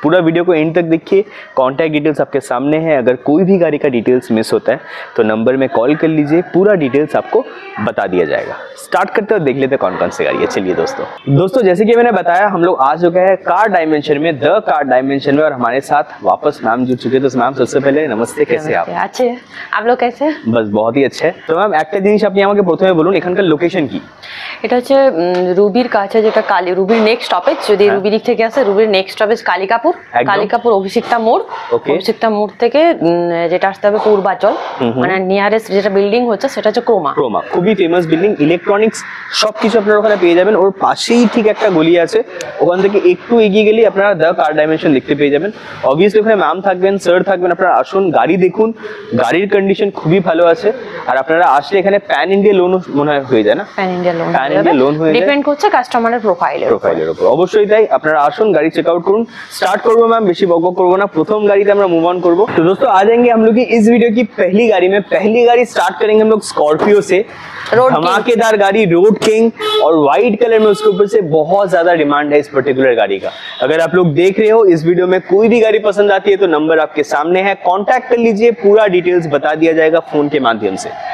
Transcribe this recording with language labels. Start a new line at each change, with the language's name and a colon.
Hindi: पूरा वीडियो को एंड तक देखिए, कॉन्टैक्ट डिटेल्स आपके सामने है। अगर कोई भी गाड़ी का डिटेल्स मिस होता है तो नंबर में कॉल कर लीजिए, पूरा डिटेल्स आपको बता दिया जाएगा। स्टार्ट करते हैं, देख लेते कौन कौन सी गाड़ी है। चलिए दोस्तों जैसे कि मैंने बताया, हम लोग आ चुके हैं कार डायमेंशन में, द कार डायमेंशन में, और हमारे साथ वापस मैम जुड़ चुके हैं। तो मैम सबसे पहले नमस्ते, कैसे आप? अच्छे, आप लोग कैसे? बस बहुत ही अच्छे। तो मैम
Bangla: একটা জিনিস আপনি আমাকে প্রথমে বলুন, এখানকার লোকেশন কি? এটা হচ্ছে রুবির কাছে, যেটা কালী রুবির নেক্সট স্টপেজ, যদি রুবি দিক থেকে আসে, রুবির নেক্সট স্টপেজ কালিকাপুর, কালিকাপুর অভিষিক্তা মোড়। ওকে, অভিষিক্তা মোড় থেকে যেটা আসতে হবে পূর্বাচল, মানে নিয়ারেস্ট যেটা বিল্ডিং হচ্ছে সেটা হচ্ছে ক্রোমা। ক্রোমা খুবই ফেমাস বিল্ডিং, ইলেকট্রনিক্স সবকিছু আপনারা ওখানে পেয়ে যাবেন। ওর পাশেই ঠিক একটা গলি আছে, ওখান থেকে একটু এগিয়ে গেলে আপনারা দা কার ডাইমেনশন দেখতে পেয়ে যাবেন। অবভিয়াসলি ওখানে ম্যাম থাকবেন, স্যার থাকবেন, আপনারা আসুন, গাড়ি দেখুন, গাড়ির কন্ডিশন খুবই ভালো আছে। আর আপনারা আসলে এখানে প্যান ইন্ডিয়া লোন মনে হয় হয়ে যায় না? প্যান ইন্ডিয়া লোন হয়ে যায়, ডিপেন্ড করছে কাস্টমারের প্রোফাইলের উপর। অবশ্যই তাই, আপনারা আসুন, গাড়ি চেক আউট করুন। স্টার্ট করব ম্যাম, বেশি বকবক করব না, প্রথম গাড়িতে আমরা মুভ অন করব।
Hindi: তো দোস্ত আ जाएंगे हम लोग की इस वीडियो की पहली गाड़ी में। पहली गाड़ी स्टार्ट करेंगे हम लोग स्कॉर्पियो से, धमाकेदार गाड़ी, रोड किंग, और व्हाइट कलर में उसके ऊपर से बहुत ज्यादा डिमांड है इस पर्टिकुलर गाड़ी का। अगर आप लोग देख रहे हो इस वीडियो में, कोई भी गाड़ी पसंद आती है तो नंबर आपके सामने है, कॉन्टेक्ट कर लीजिए, पूरा डिटेल्स बता दिया जाएगा फोन के माध्यम से।